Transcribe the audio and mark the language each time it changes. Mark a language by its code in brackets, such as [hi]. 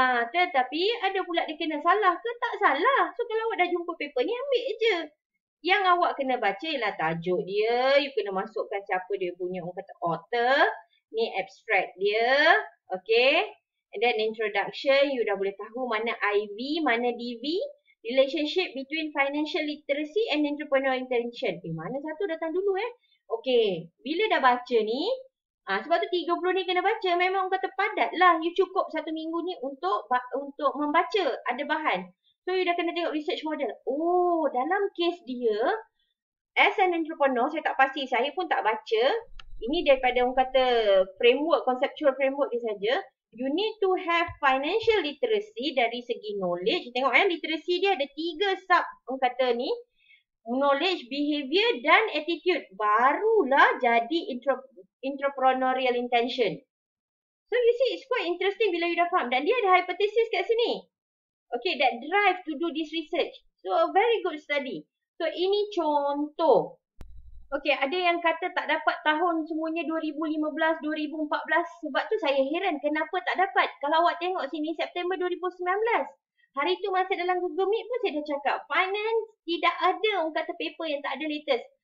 [ms] Tetapi ada pula dia kena salah ke tak salah. So kalau awak dah jumpa paper ni, ambil je. Yang awak kena baca ialah tajuk dia. You kena masukkan siapa dia punya. Orang kata author. Ni abstract dia. Okay. [en] And then introduction. [ms] You dah boleh tahu mana IV, mana DV. [en] Relationship between financial literacy and entrepreneurial intention. [ms] Eh, mana satu datang dulu eh. Okay. Bila dah baca ni. Sebab tu 30 ni kena baca. Memang orang kata padat lah. You cukup satu minggu ni untuk membaca. Ada bahan. So, you dah kena tengok research model. Oh, dalam kes dia, [en] as an entrepreneur, [ms] saya tak pasti, saya pun tak baca. Ini daripada orang kata framework, conceptual framework dia saja. [en] You need to have financial literacy [ms] dari segi [en] knowledge. [ms] Tengok kan, literacy dia ada tiga sub orang kata ni. Knowledge, behavior dan attitude. Barulah jadi entrepreneurial intention. [en] So, you see, it's quite interesting [ms] bila you dah faham. Dan dia ada hypothesis kat sini. [en] Okay, that drive to do this research. So, a very good study. So, [ms] ini contoh. Okay, ada yang kata tak dapat tahun semuanya 2015, 2014. Sebab tu saya heran kenapa tak dapat. Kalau awak tengok sini, September 2019. Hari tu masa dalam Google Meet pun saya dah cakap. Finance tidak ada, orang kata paper yang tak ada latest.